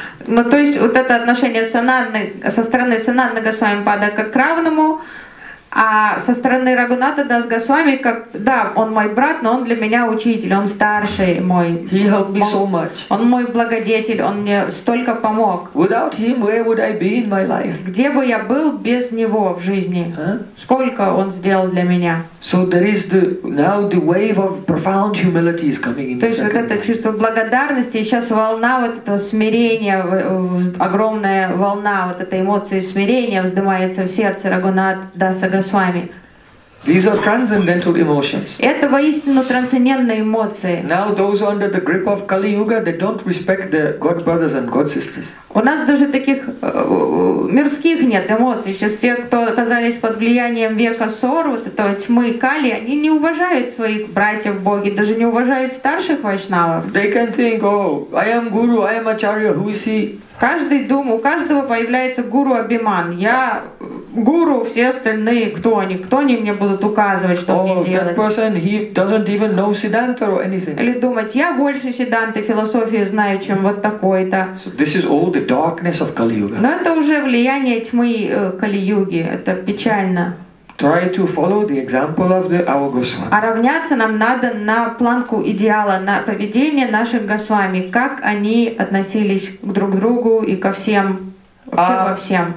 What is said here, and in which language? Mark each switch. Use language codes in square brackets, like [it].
[ru] Но то есть вот это отношение со стороны Санатана Госвами Пада как к равному. А со стороны Рагхунатха Дас Госвами, как да, он мой брат, но он для меня учитель, он старший мой. [en] He helped me so much. [ru] Он мой благодетель, он мне столько помог. [en] Without him, where would I be in my life? [ru] Где бы я был без него в жизни? Сколько он сделал для меня? [en] So there is the now the wave of profound humility is coming in. [ru] То есть вот это чувство благодарности, сейчас волна вот этого смирения, огромная волна вот этой эмоции смирения вздымается в сердце Рагхунатха Дас Госвами. [en] These are transcendental emotions. [ru] Это воистину трансцендентные эмоции. [en] Now those under the grip of Kali Yuga, they don't respect the God brothers and God sisters. [ru] У нас даже таких мирских нет эмоций. Сейчас те, кто оказались под влиянием века Сор, вот этого тьмы Кали, они не уважают своих братьев Боги, даже не уважают старших вайшнавов. [en] They can think, oh, I am guru, I am acharya, who is he? [ru] Каждый дум, у каждого появляется гуру Абиман. Я гуру, все остальные кто они? Кто они мне будут указывать, что мне делать? [en] That person, he doesn't even know Siddhanta or anything. [ru] Или думать, я больше Сиддханты философии знаю, чем вот такой-то. [en] So this is all the darkness of Kali Yuga. [ru] Но это уже влияние тьмы Кали-Юги. Это печально. [en] Try to follow the example of our Goswami. [ru] А равняться нам надо на планку идеала, на поведение наших Госвами, как они относились друг к другу и ко всем, вообще во всем.